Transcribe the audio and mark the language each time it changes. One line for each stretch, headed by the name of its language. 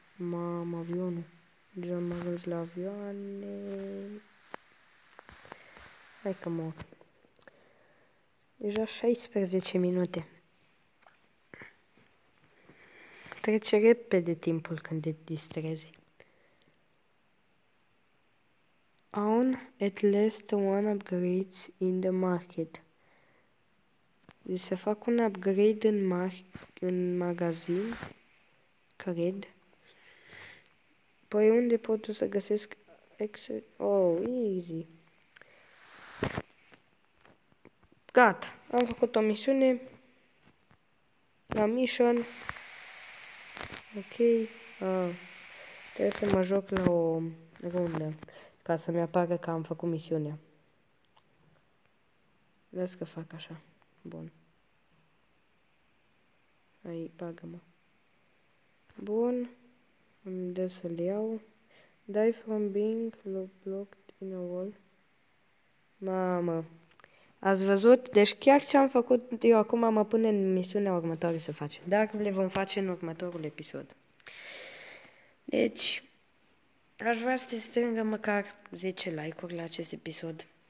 Romanian: Mamă, avionul. Deja mă râs la avioane. Hai că mor. Deja 16 minute. Trece repede timpul când te distrezi.
English: Own at least one upgrades in the market.
Romanian: Deci să fac un upgrade în magazin, cred. Păi unde pot să găsesc exit?
English: Oh, easy.
Romanian: Gata, am făcut o misiune. La mission. Ok, trebuie să mă joc la o rundă ca să-mi apară că am făcut misiunea. Las că fac așa. Bun. Hai, bagă-mă. Bun. Îmi dă să-l iau.
English: Die from being blocked in a wall.
Romanian: Mamă. Ați văzut? Deci chiar ce am făcut eu acum mă pune în misiunea următoare să facem. Dar le vom face în următorul episod. Deci, aș vrea să te strângă măcar 10 like-uri la acest episod.